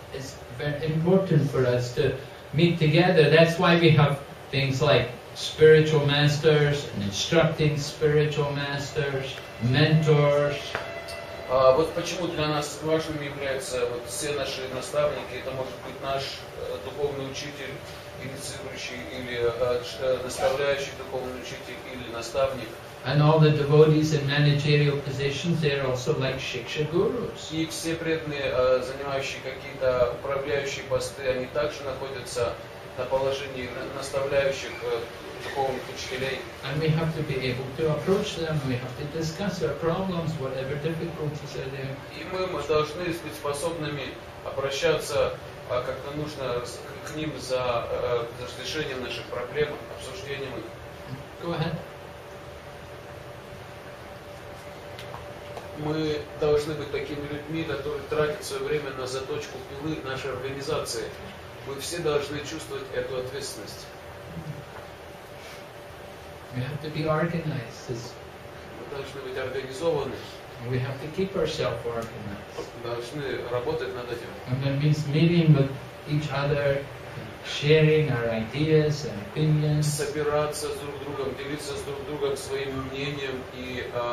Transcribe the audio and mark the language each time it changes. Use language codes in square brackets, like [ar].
[en] So it's very important for us to meet together. That's why we have things like spiritual masters and instructing spiritual masters, mentors. [ru] Вот почему для нас важными являются вот все наши наставники. Это может быть наш духовный учитель, инициирующий или наставляющий духовный учитель или наставник. [en] And all the devotees in managerial positions, they are also like shiksha gurus. [ru] И все преданные, занимающие какие-то управляющие посты, они также находятся на положении наставляющих духовных учителей. [en] And we have to be able to approach them. We have to discuss their problems, whatever difficulties are there. [ru] И мы должны быть способными обращаться, как-то нужно к ним за разрешением наших проблем, обсуждением их. [en] Go ahead. [ru] Мы должны быть такими людьми, которые тратят свое время на заточку пилы нашей организации. Мы все должны чувствовать эту ответственность. [en] We have to be organized. [ru] Мы должны быть организованы. [en] We have to keep ourselves organized. [ru] Мы должны работать над этим. [en] And that means meeting with each other, sharing our ideas and opinions. [ru] Собираться с друг другом, делиться с друг другом своим мнением и